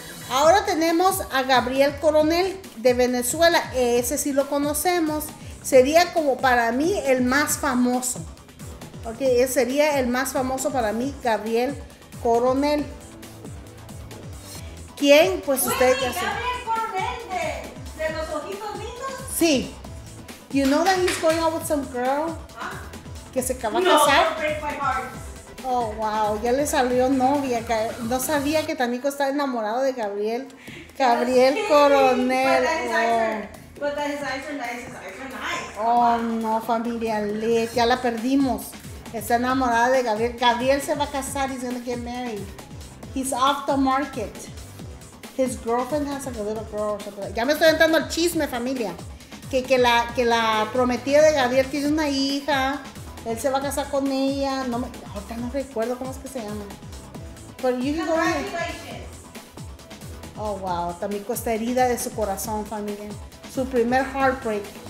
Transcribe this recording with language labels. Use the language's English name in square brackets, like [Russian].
[Spanish] Ahora tenemos a Gabriel Coronel de Venezuela, ese sí lo conocemos, sería como para mí el más famoso. Ok, ese sería el más famoso para mí, Gabriel Coronel. ¿Quién? Pues usted. ¿Gabriel Coronel de los ojitos lindos? Sí. [English] You know that he's going out with some girl? [Spanish] ¿Que se acaba de casar? Oh, wow, ya le salió novia. No sabía que Tamiko estaba enamorado de Gabriel. Gabriel Coronel. [English] But that his eyes are nice. Oh, wow. [Spanish] No, familia Lee, ya la perdimos. Está enamorada de Gabriel. Gabriel se va a casar. [English] He's going to get married. He's off the market. His girlfriend has a little girl. [Spanish] Ya me estoy entrando al chisme, familia. Que la prometida de Gabriel tiene una hija. Él se va a casar con ella. Ahorita no recuerdo cómo es que se llama. [English] But you can go ahead. [Spanish] Oh, wow. Tamiko está herida de su corazón, familia. Su primer heartbreak.